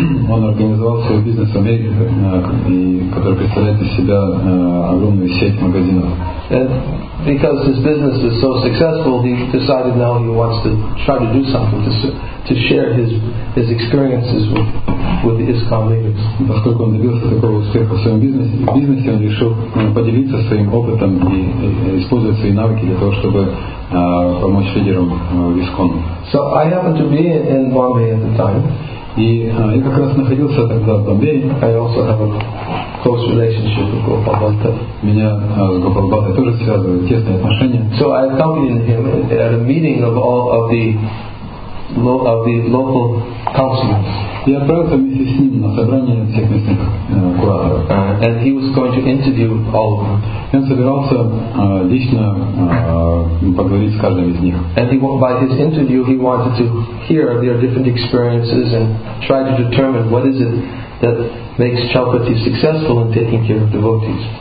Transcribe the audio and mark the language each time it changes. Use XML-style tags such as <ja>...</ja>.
<ru>Он организовал свой бизнес в Америке, который представляет из себя огромную сеть магазинов.</ru> <en>And because his business is so successful, he decided now he wants to try to do something to share his experiences with the ISKCON leaders.</en> <ru>Поскольку он добился такого успеха в своем бизнесе, он решил поделиться своим опытом и использовать свои навыки для того, чтобы помочь лидерам в ISKCON.</ru> <en>So I happened to be in Bombay at the time.</en> <ru>И я как раз находился тогда в Бомбее.</ru> <en>I also have a close relationship with Gopal Bhatta.</en> <ru>Меня с Gopal Bhatta тоже связывают тесные отношения.</ru> <en>So I accompanied him at a meeting of the local councilmen.</en> <ru>Я отправился вместе с ним на собрание всех местных кураторов.</ru> <en>And he was going to interview all of them.</en> <ru>И он собирался лично поговорить с каждым из них.</ru> <en>And by his interview he wanted to hear their different experiences and try to determine what is it that makes Chaupati successful in taking care of devotees.</en>